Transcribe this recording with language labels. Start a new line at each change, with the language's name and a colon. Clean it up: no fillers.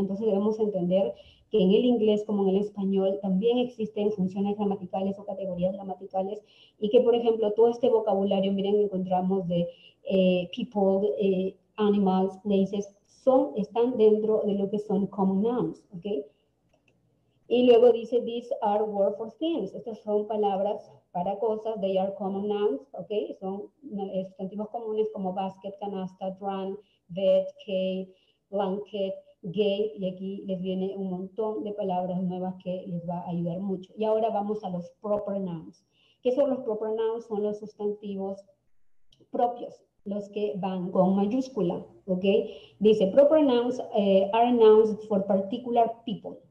Spanish: Entonces debemos entender que en el inglés como en el español también existen funciones gramaticales o categorías gramaticales y que, por ejemplo, todo este vocabulario, miren, encontramos de people, animals, places, están dentro de lo que son common nouns, ¿ok? Y luego dice,
English: these are words for things.
Spanish: Estas son palabras para cosas,
English: they are common nouns,
Spanish: ¿ok? Son sustantivos comunes como basket, canasta, drum, bed, cave, blanket, gate, y aquí les viene un montón de palabras nuevas que les va a ayudar mucho. Y ahora vamos a los proper nouns. ¿Qué son los proper nouns? Son los sustantivos propios, los que van con mayúscula, ¿ok? Dice,
English: proper nouns are nouns for particular people.